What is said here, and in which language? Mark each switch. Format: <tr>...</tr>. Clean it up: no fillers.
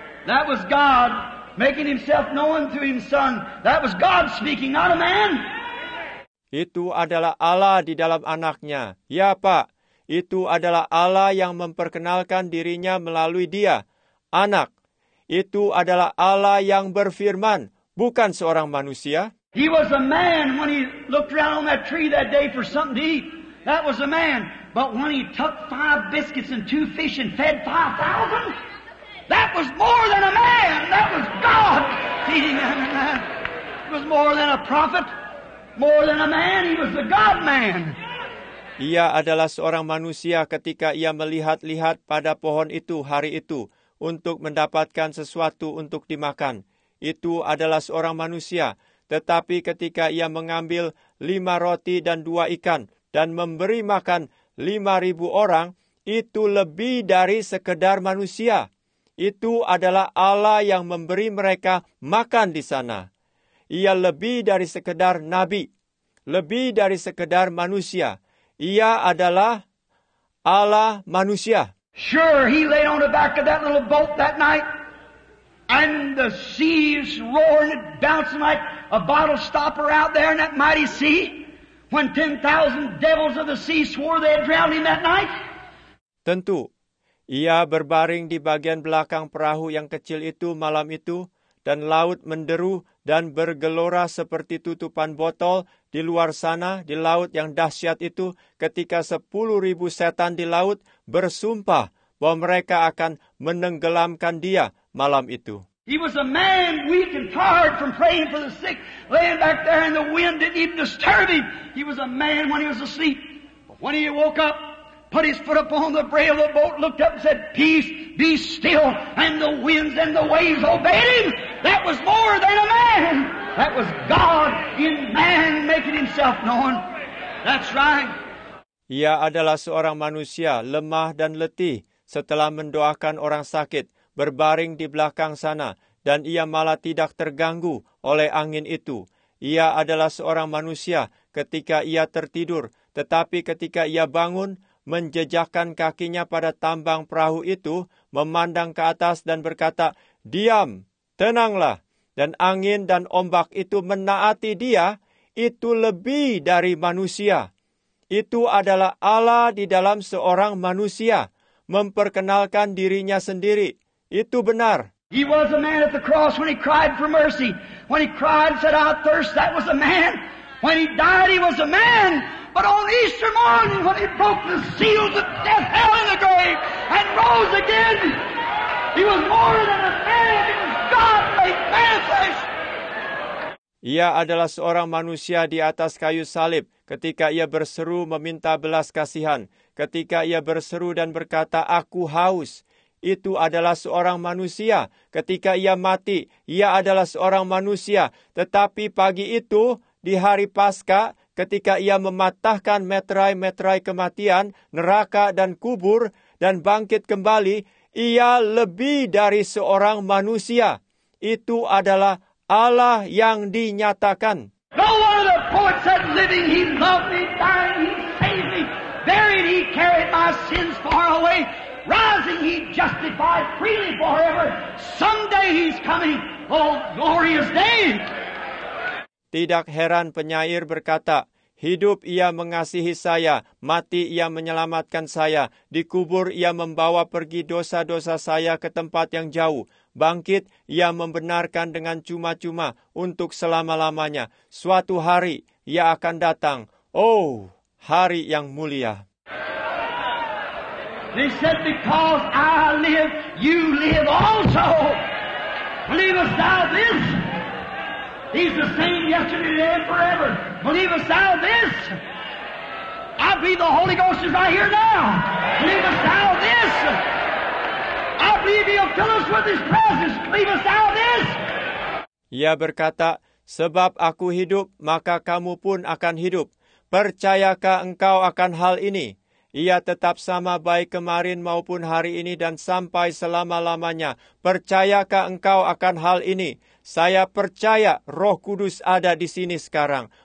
<en>That was God making himself known to his son. That was God speaking, not a man.</en> <id>Itu adalah Allah di dalam anaknya. Ya, Pak. Itu adalah Allah yang memperkenalkan dirinya melalui dia, anak. Itu adalah Allah yang berfirman, bukan seorang manusia.</id> <en>He was a man when he looked around on that tree that day for something to eat. That was a man. But when he took 5 biscuits and 2 fish and fed 5,000... That was more than a man. That was God feeding that man. It was more than a prophet. More than a man. He was the God man.</en> <id>Ia adalah seorang manusia ketika ia melihat-lihat pada pohon itu hari itu untuk mendapatkan sesuatu untuk dimakan. Itu adalah seorang manusia. Tetapi ketika ia mengambil 5 roti dan 2 ikan dan memberi makan 5,000 orang, itu lebih dari sekedar manusia. Itu adalah Allah yang memberi mereka makan di sana. Ia lebih dari sekedar nabi. Lebih dari sekedar manusia. Ia adalah Allah manusia.</id> <en>Sure, he lay on the back of that little boat that night. And the seas roaring and bouncing like a bottle stopper out there in that mighty sea. When 10,000 devils of the sea swore they had drowned him that night.</en> <id>Tentu. Ia berbaring di bagian belakang perahu yang kecil itu malam itu, dan laut menderu dan bergelora seperti tutupan botol di luar sana, di laut yang dahsyat itu, ketika 10,000 setan di laut bersumpah bahwa mereka akan menenggelamkan dia malam itu.</id> <en>He was a man weak and tired from praying for the sick, laying back there and the wind didn't even disturb him. He was a man when he was asleep. But when he woke up, put his foot upon the rail of the boat, looked up and said, "Peace, be still." And the winds and the waves obeyed him. That was more than a man. That was God in man making himself known. That's right.</en> <id>Ia adalah seorang manusia, lemah dan letih, setelah mendoakan orang sakit, berbaring di belakang sana, dan ia malah tidak terganggu oleh angin itu. Ia adalah seorang manusia ketika ia tertidur, tetapi ketika ia bangun, menjejakkan kakinya pada tambang perahu itu, memandang ke atas dan berkata, "Diam, tenanglah." Dan angin dan ombak itu menaati dia, itu lebih dari manusia. Itu adalah Allah di dalam seorang manusia, memperkenalkan dirinya sendiri. Itu benar.</id> <en>He was a man at the cross when he cried for mercy. When he cried and said, "I thirst," that was a man. When he died, he was a man. But on Easter morning, when he broke the seals of death, hell, and the grave, and rose again, he was more than a man. God made manifest.</en> <id>Ia adalah seorang manusia di atas kayu salib ketika ia berseru meminta belas kasihan. Ketika ia berseru dan berkata, "Aku haus." Itu adalah seorang manusia. Ketika ia mati, ia adalah seorang manusia. Tetapi pagi itu, di hari Paskah, ketika ia mematahkan meterai-meterai kematian, neraka dan kubur, dan bangkit kembali, ia lebih dari seorang manusia. Itu adalah Allah yang dinyatakan.</id> <en>No one of the poets said living, he loved me, dying, he saved me. Buried, he carried my sins far away. Rising, he justified freely forever. Someday he's coming, oh glorious day.</en> <id>Tidak heran penyair berkata, "Hidup ia mengasihi saya, mati ia menyelamatkan saya, dikubur ia membawa pergi dosa-dosa saya ke tempat yang jauh, bangkit ia membenarkan dengan cuma-cuma untuk selama-lamanya. Suatu hari ia akan datang. Oh, hari yang mulia.</id> <en>They said, because I live, you live also. Believest thou this? He's the same yesterday, today, and forever. Believest thou this? I believe the Holy Ghost is right here now. Believest thou this? I believe he'll fill us with his presence. Believest thou this?</en> <id>Ia berkata, sebab aku hidup, maka kamu pun akan hidup. Percayakah engkau akan hal ini? Ia tetap sama baik kemarin maupun hari ini dan sampai selama-lamanya. Percayakah engkau akan hal ini? Saya percaya Roh Kudus ada di sini sekarang.</id>